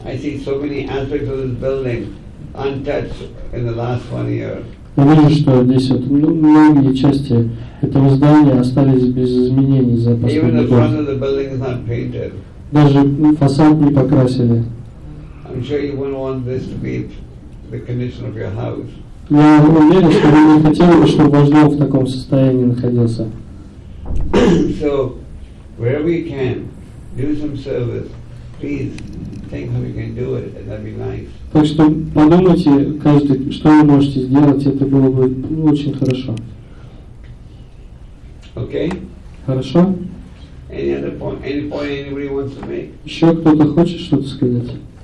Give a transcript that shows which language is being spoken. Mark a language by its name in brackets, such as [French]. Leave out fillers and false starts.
[Russian] Я вижу, что здесь вот многие части этого здания остались без изменений за последний год. Даже фасад не покрасили. Я уверен, что вы не хотели бы, чтобы ваш дом в таком состоянии находился. [English] So, wherever you can, do some service. Please, think how you can do it, and that'd be nice. [Russian] Так что подумайте каждый, что вы можете сделать, это было бы очень хорошо. [English] Okay. [Russian] Хорошо. [English] Any other point? Any point anybody wants to make? [Russian] Еще кто-то хочет что-то сказать?